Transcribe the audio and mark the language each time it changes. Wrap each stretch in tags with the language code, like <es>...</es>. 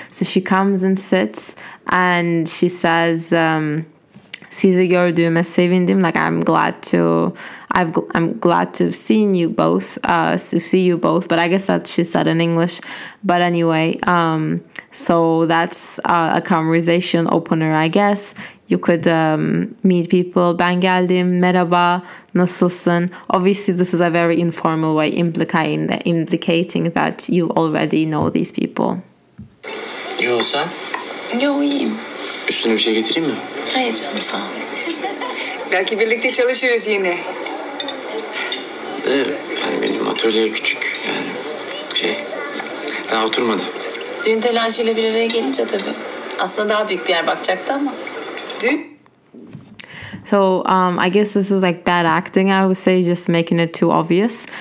<en>So she comes and sits and she says,</en> <tr>"Sizi gördüm, sevindim,"</tr> <en>like I'm glad to have seen you both, to see you both. But I guess that she said in English. But anyway, so that's a conversation opener, I guess. You could meet people.</en> <tr>"Ben geldim, merhaba, nasılsın?"</tr> <en>Obviously, this is a very informal way, implicating that you already know these people.</en> <tr>İyi olsan? Yo, iyiyim. Üstüne bir şey getireyim mi? Hayır canım, sağ ol. Belki birlikte çalışırız yine. Yani benim atölye küçük. Yani şey, daha oturmadı. Dün telaşıyla bir araya gelince tabii. Aslında daha büyük bir yer bakacaktı ama. Dün...</tr> <en>So I guess this is like bad acting, I would say, just making it too obvious.</en>